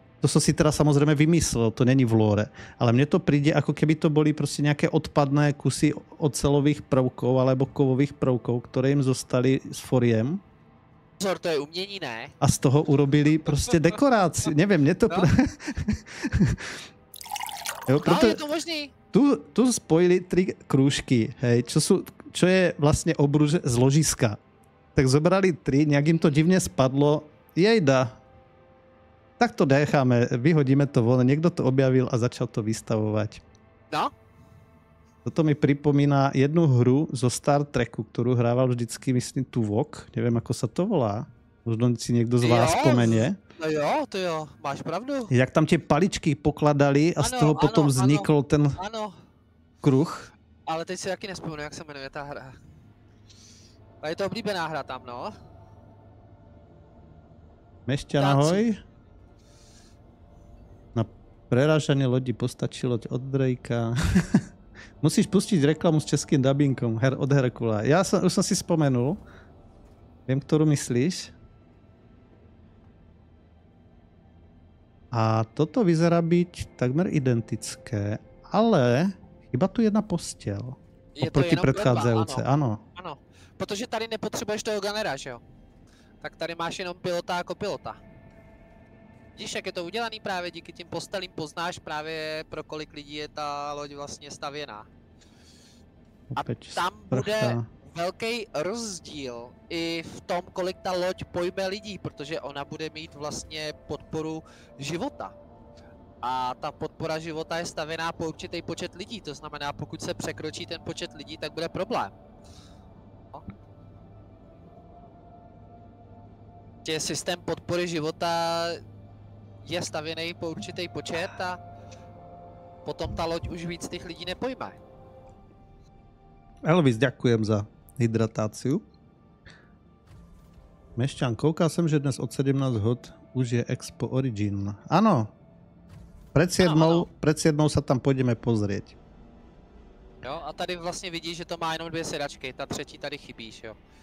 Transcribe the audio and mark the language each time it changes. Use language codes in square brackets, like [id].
[cs] To jsem si teda samozřejmě vymyslel, to není v lore. Ale mně to přijde, jako [sk] keby to byly prostě nějaké odpadné kusy ocelových prvků alebo kovových prvků, [cs] které jim zostaly s foriem. Pozor, to je umění, ne? [sk] A z toho urobili prostě dekoráci. [cs] Nevím, mně to... No? Jo, proto... No, je to možný. [sk] Tu spojili tři krůžky, hej, čo jsou... Čo je vlastne obruž z ložiska. Tak zobrali tri, nejak im to divne spadlo. Jejda. Tak to necháme, vyhodíme to von. Niekto to objavil a začal to vystavovať. No? Toto mi pripomína jednu hru zo Star Treku, ktorú hrával vždycky, myslím, Tuvok. Neviem, ako sa to volá. Možno si niekto z vás spomenie. [cs] No jo, to jo. Máš pravdu. [sk] Jak tam tie paličky pokladali a ano, z toho potom ano, vznikol [cs] ano, ten ano. Kruh. Ale teď si taky nespomenu, jak se jmenuje ta hra. A je to oblíbená hra tam, no. Mešťan, ahoj. [sk] Na preražanie lodi postačilo od Drakea. Musíš pustiť reklamu s českým dubbingom her od Herkula. [cs] Já jsem, už jsem si spomenul. Vím, kterou myslíš. [sk] A toto vyzerá byť takmer identické, ale... Chyba tu jedna postel. Je oproti predchádzajúce, ano. [cs] Ano, protože tady nepotřebuješ toho gunnera, že jo? Tak tady máš jenom pilota jako pilota. Vidíš, jak je to udělaný právě díky tím postelím, poznáš právě pro kolik lidí je ta loď vlastně stavěná. [sk] Opäť a tam sprchta. [cs] Bude velký rozdíl i v tom, kolik ta loď pojme lidí, protože ona bude mít vlastně podporu života. A ta podpora života je stavěná po určitý počet lidí, to znamená, pokud se překročí ten počet lidí, tak bude problém. No. prostě systém podpory života je stavěný po určitý počet a potom ta loď už víc těch lidí nepojme. Elvis, děkujem za hydrataci. Mešťan, koukal jsem, že dnes od 17 hod už je Expo Origin. Ano. [sk] Pred siedmou sa tam pôjdeme pozrieť. [cs] Jo, a tady vlastne vidíš, že to má jenom dvě sedačky, ta třetí tady chybí, že jo.